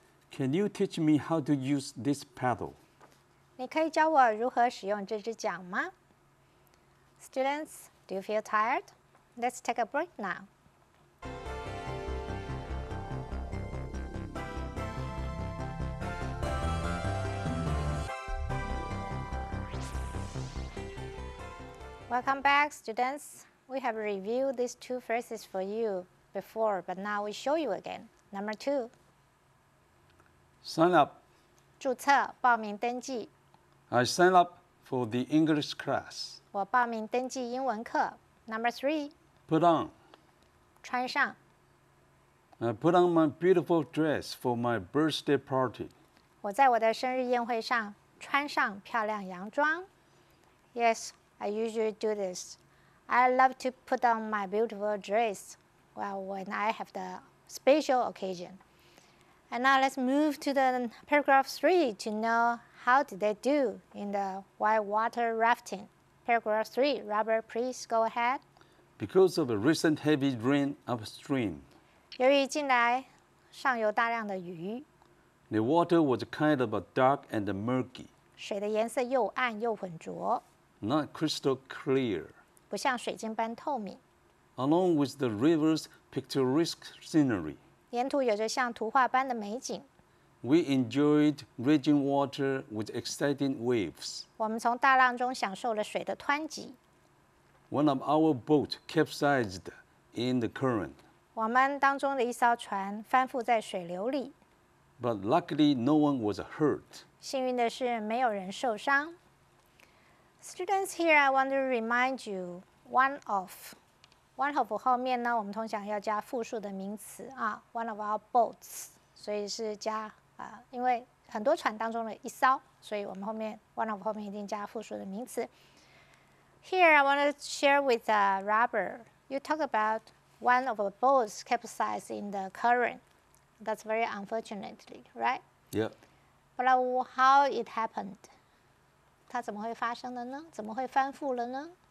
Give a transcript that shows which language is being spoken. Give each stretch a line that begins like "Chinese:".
English: Can you teach me how to use this paddle?
Chinese: 你可以教我如何使用这只桨吗?
English: Students, do you feel tired? Let's take a break now. Welcome back, students. We have reviewed these two phrases for you before, but now we show you again. Number 2. Sign up.
Chinese: 注册, 报名登记.
English: I sign up for the English class.
Chinese: 我报名登记英文课.
English: Number 3. Put on.
Chinese: 穿上.
English: I put on my beautiful dress for my birthday party.
Chinese: 我在我的生日宴会上穿上漂亮洋装.
English: Yes, I usually do this. I love to put on my beautiful dress when I have the special occasion. And now let's move to the paragraph 3 to know how did they do in the whitewater rafting. Paragraph 3, Robert, please go ahead. Because of a recent heavy rain upstream,
Chinese: 由于近来上游大量的雨,
English: the water was kind of a dark and murky,
Chinese: 水的颜色又暗又浑浊,
English: not crystal clear,
Chinese: 不像水晶般透明,
English: along with the river's picturesque scenery,
Chinese: 沿途有着像图画般的美景,
English: we enjoyed raging water with exciting waves.
Chinese: 我们从大浪中享受了水的湍急,
English: one of our boats capsized in the current.
Chinese: 我们当中的一艘船翻覆在水流里。
English: But luckily, no one was hurt.
Chinese: 幸运的是没有人受伤。
English: Students, here I want to remind you one of. One of
Chinese: 后面呢，我们通常要加复数的名词啊 ，
English: one of our boats.
Chinese: 所以是加啊，因为很多船当中的一艘，所以我们后面
English: one of
Chinese: 后面一定加复数的名词。
English: Here I want to share with Robert. You talk about one of our boats capsized in the current. That's very unfortunately, right? Yeah. But how it happened?
Chinese: 它怎么会发生的呢？怎么会翻覆了呢